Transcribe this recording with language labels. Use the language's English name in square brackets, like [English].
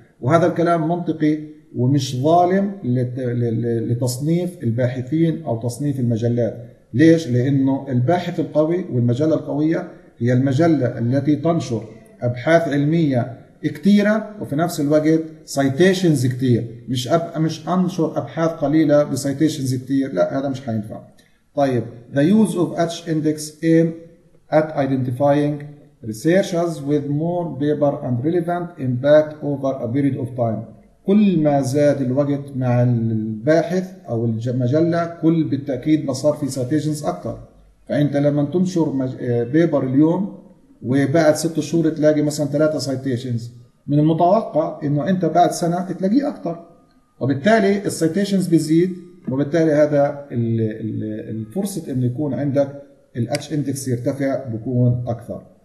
[Arabic] وهذا الكلام منطقي ومش ظالم لتصنيف الباحثين او تصنيف المجلات. ليش؟ لانه الباحث القوي والمجله القويه هي المجلة التي تنشر أبحاث علمية كثيرة وفي نفس الوقت citations كثير، مش أنشر أبحاث قليلة بcitations كثير، لا هذا مش حينفع. [English] طيب the use of H index aim at identifying researchers with more paper and relevant impact over a period of time. [Arabic] كل ما زاد الوقت مع الباحث أو المجلة كل بالتأكيد بصار في citations أكثر. فأنت لما تنشر بيبر اليوم وبعد 6 شهور تلاقي مثلا 3 citations، من المتوقع أنه أنت بعد سنة تلاقيه أكثر، وبالتالي citations بيزيد، وبالتالي هذا الفرصة أن يكون عندك الـ H index يرتفع بكون أكثر.